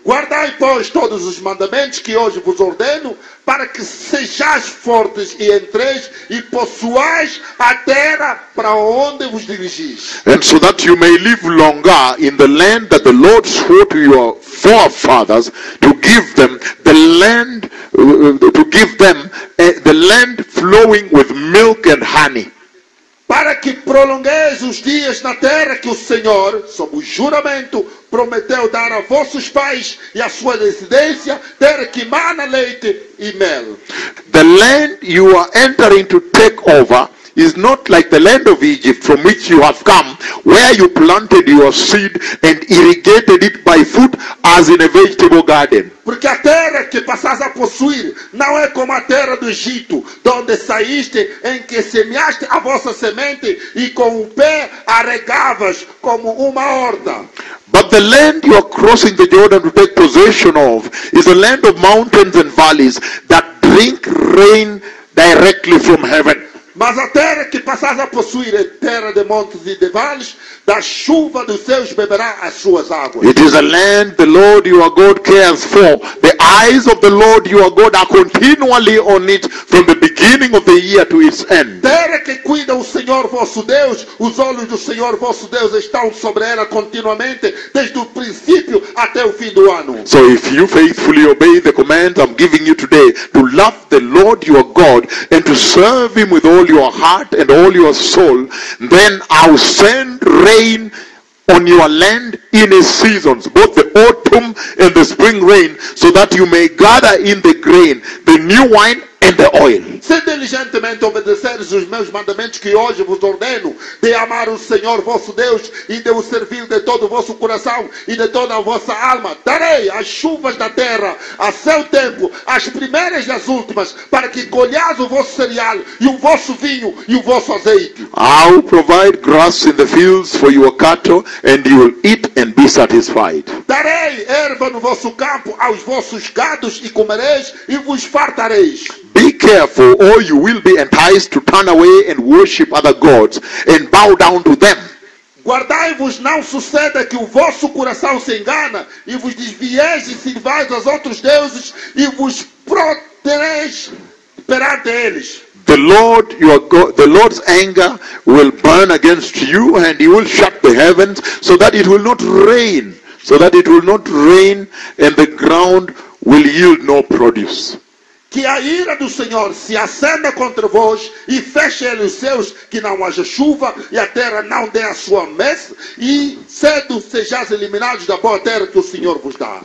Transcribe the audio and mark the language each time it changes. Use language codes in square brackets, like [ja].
[pt] Guardai pois todos os mandamentos que hoje vos ordeno, para que sejais fortes e entreis e possuais a terra para onde vos dirigis. [en] And so that you may live longer in the land that the Lord swore to your forefathers to give them, the land the land flowing with milk and honey. [pt] Para que prolongueis os dias na terra que o Senhor, sob o juramento, prometeu dar a vossos pais e à sua descendência, terra que mana leite e mel. [en] The land you are entering to take over is not like the land of Egypt from which you have come, where you planted your seed and irrigated it by foot as in a vegetable garden. [pt] Porque a terra que passas a possuir não é como a terra do Egito, donde saíste, em que semeaste a vossa semente e com o pé a regavas como uma horta. [en] But the land you are crossing the Jordan to take possession of is a land of mountains and valleys that drink rain directly from heaven. [pt] Mas a terra que passas a possuir é terra de montes e de vales, da chuva dos céus beberá as suas águas. [en] It is a land the Lord your God cares for. The eyes of the Lord your God are continually on it from the beginning of the year to its end. [pt] Terra que cuida o Senhor vosso Deus, os olhos do Senhor vosso Deus estão sobre ela continuamente, desde o princípio até o fim do ano. [en] So if you faithfully obey the commands I'm giving you today, to love the Lord your God and to serve him with all your heart and all your soul, then I'll send rain on your land in its seasons, both the autumn and the spring rain, so that you may gather in the grain, the new wine and the oil. [pt] Se diligentemente obedeceres os meus mandamentos que hoje vos ordeno, de amar o Senhor vosso Deus e de o servir de todo o vosso coração e de toda a vossa alma, darei as chuvas da terra a seu tempo, as primeiras e as últimas, para que colhais o vosso cereal e o vosso vinho e o vosso azeite. [en] I'll provide grass in the fields for your cattle, and you will eat and be satisfied. [pt] Darei erva no vosso campo aos vossos gados e comereis e vos fartareis. [en] Be careful, or you will be enticed to turn away and worship other gods and bow down to them. [pt] Guardai-vos, não suceda que o vosso coração se engana e vos desvieis e sirvais aos outros deuses e vos protereis perante eles. [en] The Lord your God, the Lord's anger will burn against you, and he will shut the heavens so that it will not rain, and the ground will yield no produce. [pt] Que a ira do Senhor se acenda contra vós e feche os céus, que não haja chuva e a terra não dê a sua messe, e cedo sejais eliminados da boa terra que o Senhor vos dá.